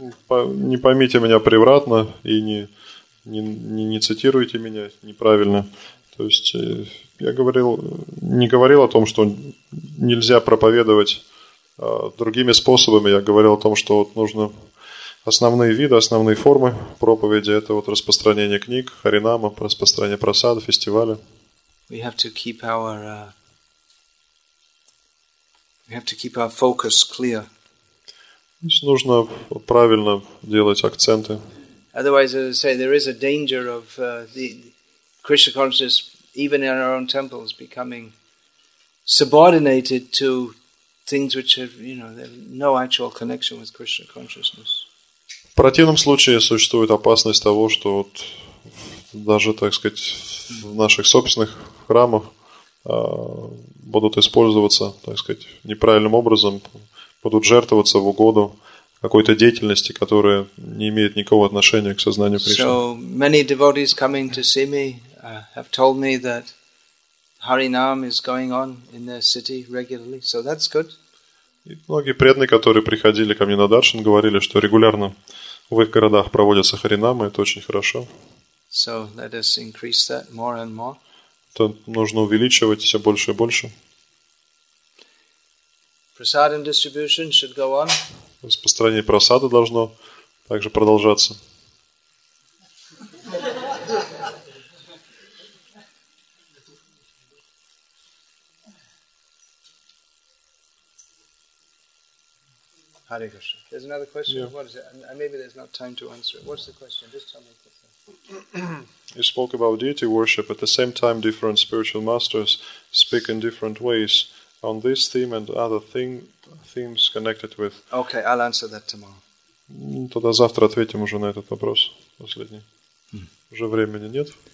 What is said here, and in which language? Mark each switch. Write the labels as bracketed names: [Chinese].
[Russian] Не поймите меня превратно и не цитируйте меня неправильно. То есть я не говорил о том, что нельзя проповедовать другими способами. Я говорил о том, что вот нужно основные виды, основные формы проповеди. Это вот распространение книг, харинама, распространение прасада, фестиваля. [English] We have to keep our focus clear. [Russian] Нужно правильно делать акценты. [English] Otherwise, as I say, there is a danger of the Krishna consciousness, even in our own temples, becoming subordinated to things which have, you know, they have no actual connection with Krishna consciousness. [Russian] В противном случае существует опасность того, что вот даже, так сказать, в наших собственных храмах будут использоваться, так сказать, неправильным образом, будут жертвоваться в угоду какой-то деятельности, которая не имеет никакого отношения к сознанию Кришны. [English] So many devotees coming to see me have told me that Harinam is going on in their city regularly, so that's good. [Russian] И многие преданные, которые приходили ко мне на даршан, говорили, что регулярно в их городах проводятся харинамы, это очень хорошо. [English] So let us increase that more and more. [Russian] Это нужно увеличивать все больше и больше. [English] Prasadam distribution should go on. [Russian] Распространение прасада должно также продолжаться. [English] There's another question. Yeah. What is it? Maybe there's not time to answer it. What's the question? Just tell me. You spoke about deity worship. At the same time, different spiritual masters speak in different ways on this theme and other themes connected with. Okay, I'll answer that tomorrow. [Russian] Тогда завтра ответим уже на этот вопрос последний. Уже времени нет.